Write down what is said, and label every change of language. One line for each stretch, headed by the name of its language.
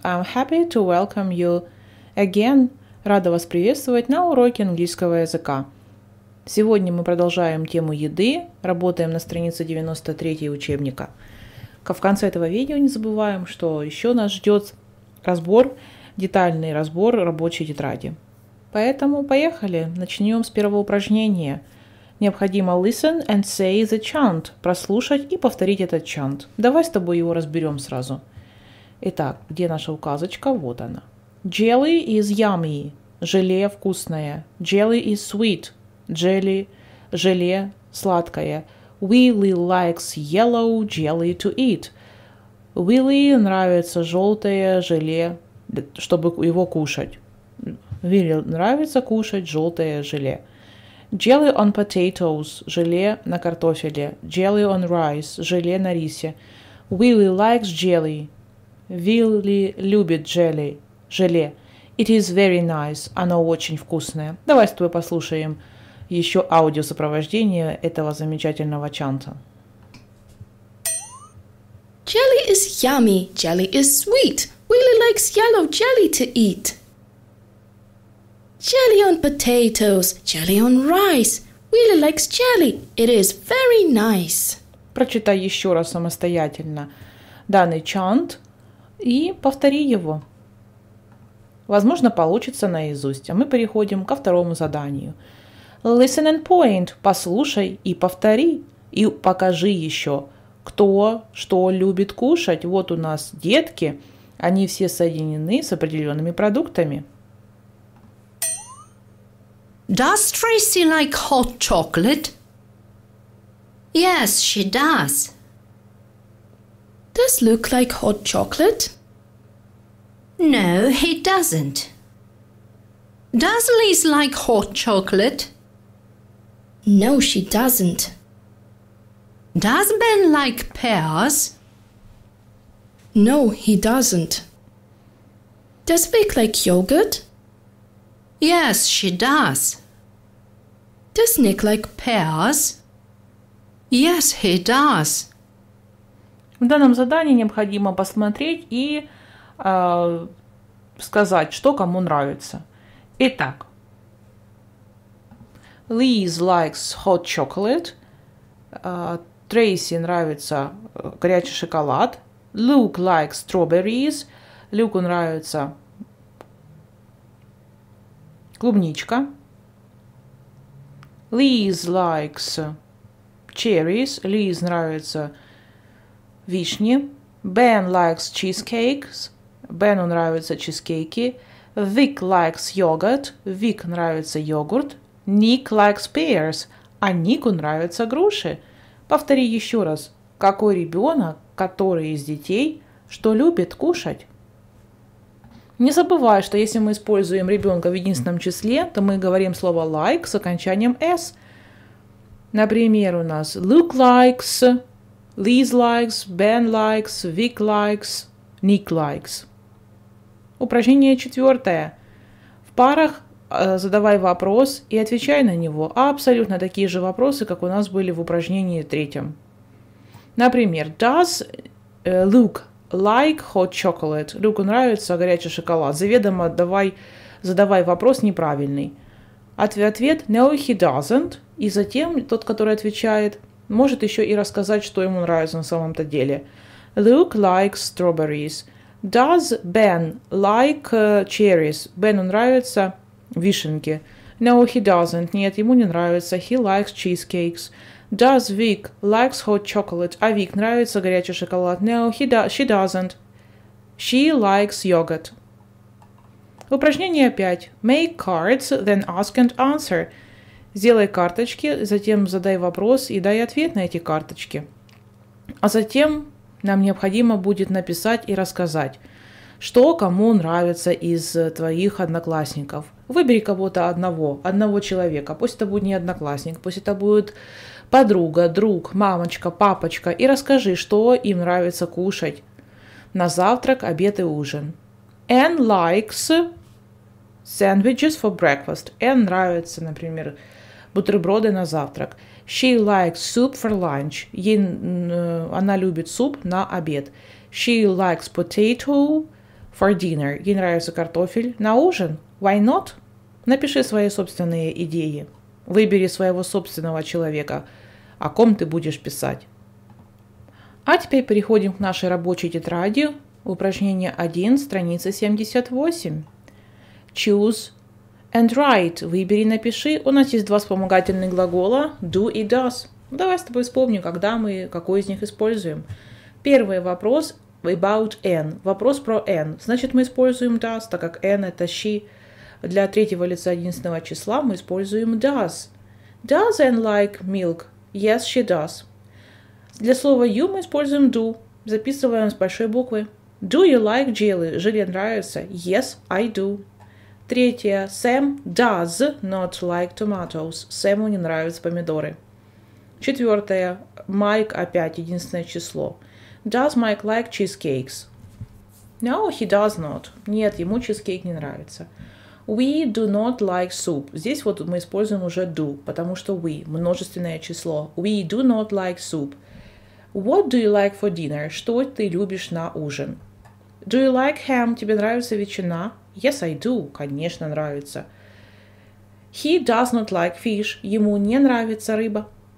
English: I'm happy to welcome you again.
Russian: Рада вас приветствовать на уроке английского языка. Сегодня мы продолжаем тему еды, работаем на странице 93 учебника. В конце этого видео не забываем, что еще нас ждет разбор, детальный разбор рабочей тетради. Поэтому поехали, начнем с первого упражнения. Необходимо
English: listen and say the chant,
Russian: прослушать и повторить этот чант. Давай с тобой его разберем сразу. Итак, где наша указочка? Вот она.
English: Jelly is yummy.
Russian: Желе вкусное.
English: Jelly is sweet. Jelly.
Russian: Желе сладкое.
English: Willy likes yellow jelly to eat.
Russian: Willy нравится желтое желе, чтобы его кушать. Willy нравится кушать желтое желе.
English: Jelly on potatoes.
Russian: Желе на картофеле.
English: Jelly on rice.
Russian: Желе на рисе.
English: Willy likes jelly.
Russian: Вилли любит джелли, желе.
English: It is very nice.
Russian: Оно очень вкусное. Давай с тобой послушаем еще аудиосопровождение этого замечательного чанта.
English: Jelly is yummy. Jelly is sweet. Willy likes yellow jelly to eat. Jelly on potatoes. Jelly on rice. Willy likes jelly. It is very nice.
Russian: Прочитай еще раз самостоятельно данный чант. И повтори его. Возможно, получится наизусть. А мы переходим ко второму заданию.
English: Listen and point.
Russian: Послушай и повтори. И покажи еще, кто что любит кушать. Вот у нас детки. Они все соединены с определенными продуктами.
English: Does Tracy like hot chocolate? Yes, she does. Does Luke like hot chocolate? No, he doesn't. Does Liz like hot chocolate? No, she doesn't. Does Ben like pears? No, he doesn't. Does Vic like yogurt? Yes, she does. Does Nick like pears? Yes, he does.
Russian: В данном задании необходимо посмотреть и сказать, что кому нравится.
English: Итак, Liz likes hot chocolate.
Russian: Tracy нравится горячий шоколад.
English: Luke likes strawberries.
Russian: Люку нравится клубничка.
English: Liz likes cherries.
Russian: Liz нравится вишни.
English: Ben likes cheesecakes.
Russian: Бену нравятся чизкейки. Вик likes йогурт. Вик нравится йогурт.
English: Ник likes pears.
Russian: А Нику нравятся груши. Повтори еще раз. Какой ребенок, который из детей, что любит кушать? Не забывай, что если мы используем ребенка в единственном числе, то мы говорим слово like с окончанием s. Например, у нас Luke likes, Liz likes, Ben likes, Вик likes, Ник likes. Упражнение четвертое. В парах задавай вопрос и отвечай на него. Абсолютно такие же вопросы, как у нас были в упражнении третьем.
English: Например, does Luke like hot chocolate?
Russian: Люку нравится горячий шоколад. Заведомо задавай вопрос неправильный. Ответ no, he doesn't. И затем тот, который отвечает, может еще и рассказать, что ему нравится на самом-то деле.
English: Luke likes strawberries. Does Ben like cherries?
Russian: Бену нравятся вишенки.
English: No, he doesn't.
Russian: Нет, ему не нравится.
English: He likes cheesecakes. Does Vic likes hot chocolate?
Russian: А Вик нравится горячий шоколад?
English: No, she doesn't. She likes yogurt.
Russian: Упражнение 5.
English: Make cards, then ask and answer.
Russian: Сделай карточки, затем задай вопрос и дай ответ на эти карточки. А затем нам необходимо будет написать и рассказать, что кому нравится из твоих одноклассников. Выбери кого-то одного человека. Пусть это будет не одноклассник, пусть это будет подруга, друг, мамочка, папочка. И расскажи, что им нравится кушать на завтрак, обед и ужин.
English: Anne likes sandwiches for breakfast.
Russian: Anne нравится, например, бутерброды на завтрак.
English: She likes soup for lunch.
Russian: Она любит суп на обед.
English: She likes potato for dinner.
Russian: Ей нравится картофель на ужин.
English: Why not?
Russian: Напиши свои собственные идеи. Выбери своего собственного человека, о ком ты будешь писать. А теперь переходим к нашей рабочей тетради. Упражнение 1, страница 78.
English: Choose and write.
Russian: Выбери, напиши. У нас есть два вспомогательных глагола. Do и does. Давай с тобой вспомним, когда мы, какой из них используем. Первый вопрос about Anne. Вопрос про Anne. Значит, мы используем does, так как Anne – это she. Для третьего лица единственного числа мы используем does.
English: Does Anne like milk? Yes, she does.
Russian: Для слова you мы используем do. Записываем с большой буквы.
English: Do you like jelly?
Russian: Желе нравится?
English: Yes, I do. Третье. Sam does not like tomatoes.
Russian: Сэму не нравятся помидоры. Четвертое. Mike опять единственное число.
English: Does Mike like cheesecakes? No, he does not.
Russian: Нет, ему чизкейк не нравится.
English: We do not like soup.
Russian: Здесь вот мы используем уже do, потому что we – множественное число.
English: We do not like soup. What do you like for dinner?
Russian: Что ты любишь на ужин?
English: Do you like ham?
Russian: Тебе нравится ветчина?
English: Yes, I do.
Russian: Конечно, нравится.
English: He does not like fish.
Russian: Ему не нравится рыба.